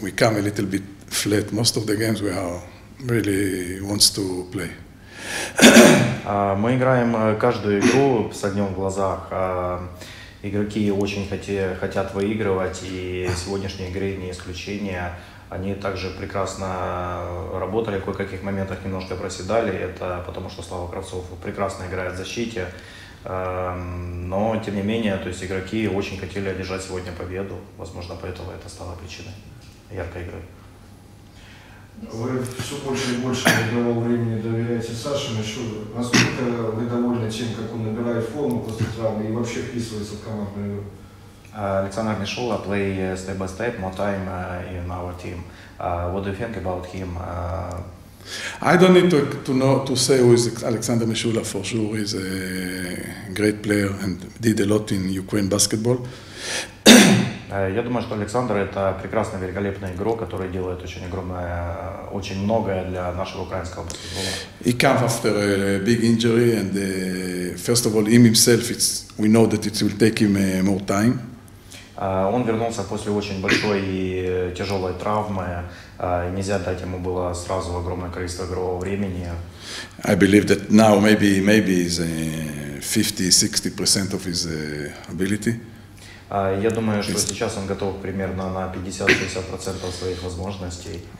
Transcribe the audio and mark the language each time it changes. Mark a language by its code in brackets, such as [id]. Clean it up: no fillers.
[en] We come a little bit flat. Most of the games we are really wants to play. [ru] Мы играем каждую игру с огнем в глазах. Игроки очень хотят выигрывать, и сегодняшние игры не исключение. Они также прекрасно работали, в кое-каких моментах немножко проседали. Это потому, что Слава Кравцов прекрасно играет в защите. Но, тем не менее, то есть игроки очень хотели одержать сегодня победу. Возможно, поэтому это стало причиной яркой игры. Вы все больше и больше игрового времени доверяете Саше Мишуле. Насколько вы довольны тем, как он набирает форму после травмы и вообще вписывается в командную игру? [en] Александр Мишула play step by step more time in our team. What do you think about him? I don't need to say who is Alexander Mishula. For sure, he's a great player and did a lot in Ukraine basketball. [ru] Я думаю, что Александр это прекрасный, великолепный игрок, который делает очень огромное, очень многое для нашего украинского баскетбола. [en] He came after a big injury and first of all him himself, it's we know that it will take him more time. [ru] Он вернулся после очень большой и тяжелой травмы. Нельзя дать ему было сразу огромное количество игрового времени. [en] I believe that now maybe is 50-60% of his ability. [ru] Я думаю, что сейчас он готов примерно на 50-60% своих возможностей.